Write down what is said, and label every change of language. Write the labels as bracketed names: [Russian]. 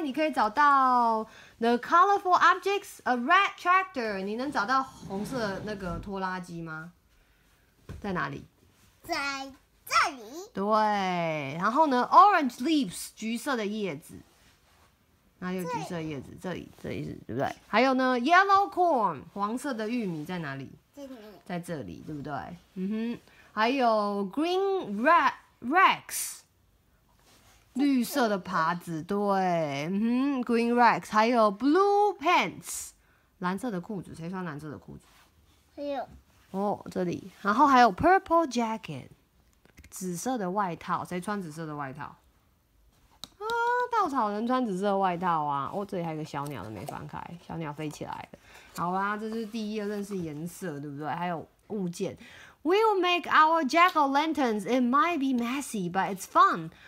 [Chinese] 你可以找到 [English] the colorful objects. A red tractor. [Chinese] 你能找到红色那个拖拉机吗？在哪里？在这里。对，然后呢 ？ [English] Orange leaves， [Chinese] 橘色的叶子。哪里有橘色叶子？这里是对不对？还有呢 ？ [English] Yellow corn， [Chinese] 黄色的玉米在哪里？在这里，对不对？嗯哼。还有 [English] green rex， [Chinese] 绿色的耙子，对，green rex， 还有 [English] blue pants， [Chinese] 蓝色的裤子，谁穿蓝色的裤子？还有，哦，这里，然后还有 [English] purple jacket， [Chinese] 紫色的外套，谁穿紫色的外套？啊，稻草人穿紫色的外套啊，哦，这里还有个小鸟都没翻开，小鸟飞起来了。好啦，这是第一页，认识颜色，对不对？还有物件。 [English] We will make our jack-o'-lanterns. It might be messy, but it's fun.